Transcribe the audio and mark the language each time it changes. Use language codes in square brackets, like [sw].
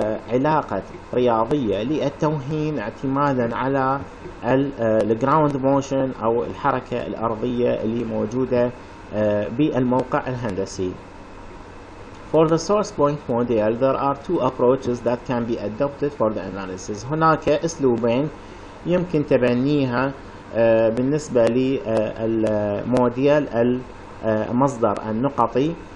[ar] علاقة رياضية للتوهين اعتمادا على الجراوند موشن او الحركة الارضية اللي موجودة بالموقع الهندسي. [en] For the source point model there are two approaches that can be adopted for the analysis. [ar] هناك اسلوبين يمكن تبنيها بالنسبة للموديل المصدر النقطي.